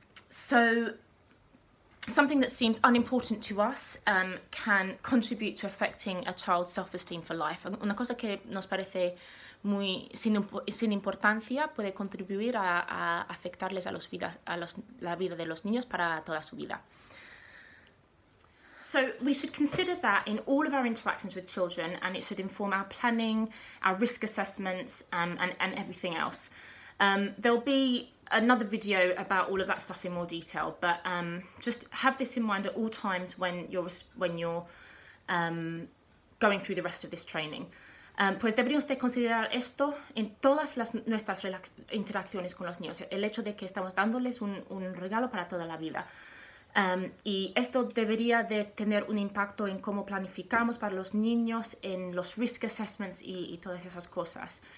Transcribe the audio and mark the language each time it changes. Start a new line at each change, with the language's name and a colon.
English: So, something that seems unimportant to us can contribute to affecting a child's self-esteem for life.
Spanish: Una cosa que nos parece muy sin importancia puede contribuir a afectarles la vida de los niños para toda su vida.
English: So we should consider that in all of our interactions with children, and it should inform our planning, our risk assessments, and everything else. There'll be another video about all of that stuff in more detail, but just have this in mind at all times when you're going through the rest of this training.
Spanish: Pues deberíamos de considerar esto en todas nuestras interacciones con los niños, el hecho de que estamos dándoles un regalo para toda la vida. Y esto debería de tener un impacto en cómo planificamos para los niños, en los risk assessments y todas esas cosas.